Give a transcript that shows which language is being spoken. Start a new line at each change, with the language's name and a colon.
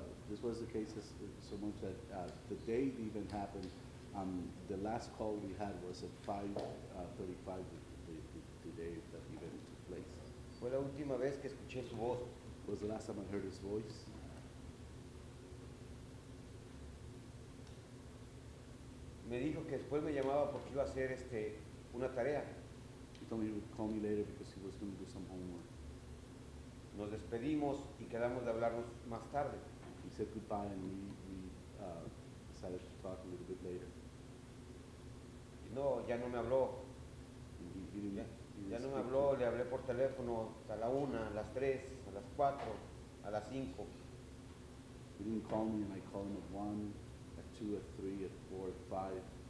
English: This was the case so much that the day it even happened, the last call we had was at 5:35 the day that event took place.
Spanish: Fue la última vez que escuché su voz.
English: Was the last time I heard his voice.
Spanish: Me dijo que después me llamaba porque iba a hacer una tarea.
English: He told me he would call me later because he was going to do some homework.
Spanish: Nos despedimos y quedamos de hablarnos más tarde.
English: He said goodbye and we decided to talk a little bit later.
Spanish: No, ya no me habló.
English: He didn't
Spanish: ya no me habló, le hablé por teléfono a la una, a las tres, a las cuatro, a las cinco.
English: He didn't call me and I called him at one, at two, at three, at four, at five.